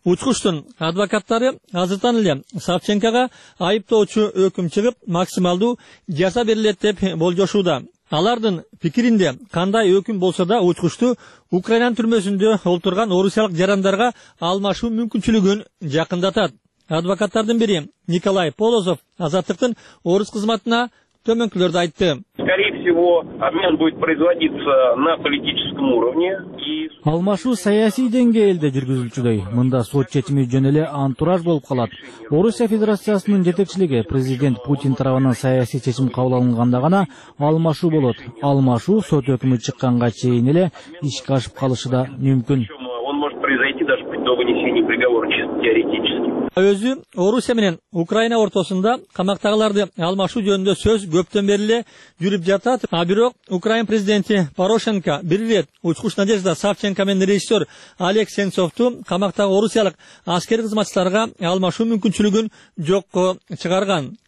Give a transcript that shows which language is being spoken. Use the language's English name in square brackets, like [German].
[Kyrgyz] Учкучтун адвокаттары азыртан эле Савченкага айыптоочу өкүм чыгып, максималдуу жаза берилет деп болжошууда. Алардын пикиринде кандай өкүм болсо да учкучту Украинанын түрмөсүндө олтурган орусиялык жарандарга алмашуу мүмкүнчүлүгүн жакындатат. Адвокаттардын бири Николай Полозов азаттыктын орус кызматына төмөнкүлөрдү айтты. [Russian] Обмен будет производиться на политическом уровне. [Kyrgyz] Алмашуу саясий деңгээлде жүргүзүлчүдөй. Мында сот чечими жөн эле антураж болуп калат. Орусия Федерациясынын жетекчилиги президент Путин тарабынан саясий чечим кабыл алынганда гана алмашуу болот. Алмашуу сот өкүмү чыкканга чейин эле ишке ашып калышы да мүмкүн. [Russian] Он может произойти даже при до вынесении приговора, чисто теоретически. [Kyrgyz] Өзү Орусия менен Украина ортосунда камактагыларды алмашуу жөнүндө сөз көптөн бери эле жүрүп жатат. А бирок Украина президенти Порошенко бир ирет учкуч Надежда Савченко менен режиссер Олег Сенцовду камактагы орусиялык аскер кызматчыларга алмашуу мүмкүнчүлүгүн жокко чыгарган.